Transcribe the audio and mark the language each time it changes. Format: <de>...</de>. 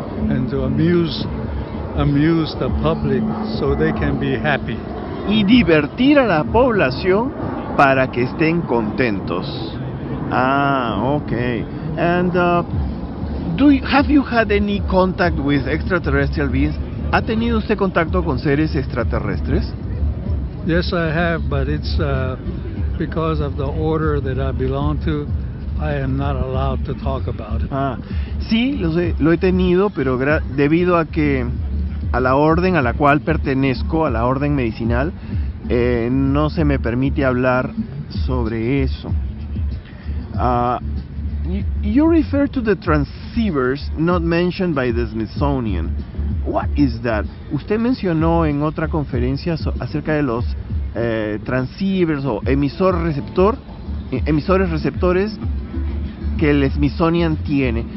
<en>And to amuse the public so they can be happy.</en> <es>Y divertir a la población para que estén contentos. Ah, okay.</es> <en>And have you had any contact with extraterrestrial beings?</en> <es>¿Ha tenido usted contacto con seres extraterrestres?</es> <en>Yes, I have, but it's because of the order that I belong to, I am not allowed to talk about it.</en> <es>Ah, sí, lo he tenido, pero debido a que a la orden a la cual pertenezco, a la orden medicinal, no se me permite hablar sobre eso.</es> <en>You refer to the transceivers not mentioned by the Smithsonian. What is that?</en> <es>Usted mencionó en otra conferencia acerca de los transceivers o emisores receptores que el Smithsonian tiene.</es>